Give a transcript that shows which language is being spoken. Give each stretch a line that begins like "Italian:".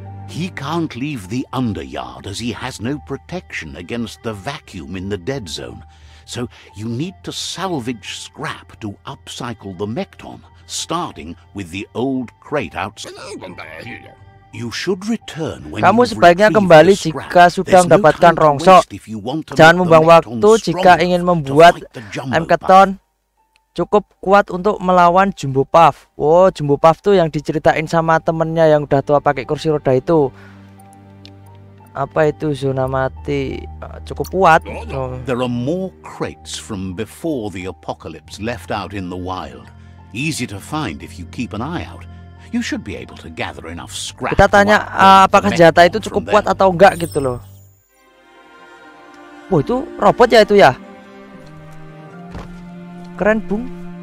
English: He can't leave the underyard as he has no protection against the vacuum in the dead zone. So you need to salvage scrap to upcycle the Mecton, starting with the old crate outside. You should return when.
Indonesian: Kamu sebaiknya kembali jika sudah mendapatkan rongsok. Jangan membuang waktu jika ingin membuat Mecton cukup kuat untuk melawan Jumbo Puff. Oh, Jumbo Puff tuh yang diceritain sama temennya yang udah tua pakai kursi roda itu. Apa itu zona mati? Cukup kuat.
English: There are more crates from before the apocalypse left out in the wild. Easy to find if you keep an eye out. You should be able to gather enough scrap.
Indonesian: Kita tanya apakah senjata itu cukup kuat atau enggak gitu loh. Oh, itu robot ya itu ya. Keren, Bung.